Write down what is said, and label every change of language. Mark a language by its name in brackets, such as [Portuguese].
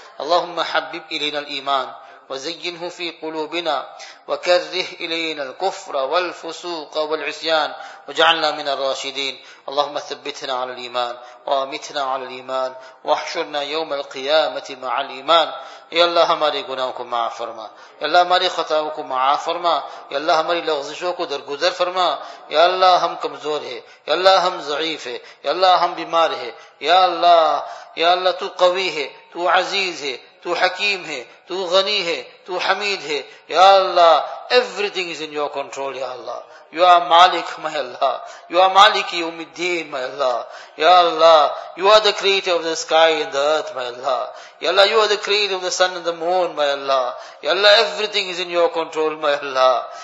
[Arabic] اللهم حبب إلينا الإيمان وزينه في قلوبنا، وكره إلينا الكفر والفسوق والعصيان، وجعلنا من الراشدين. اللهم ثبتنا على الإيمان، وأمتنا على الإيمان، واحشرنا يوم القيامة مع الإيمان. [Urdu] يا الله ہماری گناہوں کو معاف فرما، یا اللہ ہماری خطاؤں کو معاف فرما، یا اللہ ہماری لغزشوں کو درگزر فرما. یا اللہ ہم کمزور ہیں، یا اللہ ہم ضعیف ہیں، یا اللہ ہم بیمار ہیں. یا اللہ تو قوی ہے، تو عزیز ہے، تو حکیم ہے، تو غنی ہے، تو حمید ہے. [English] یا اللہ everything is in your control. Ya Allah, you are Malik, my Allah. You are Maliki Umiddin, my Allah. Ya Allah, you are the creator of the sky and the earth, my Allah. Ya Allah, you are the creator of the sun and the moon, my Allah. Ya Allah, everything is in your control, my Allah.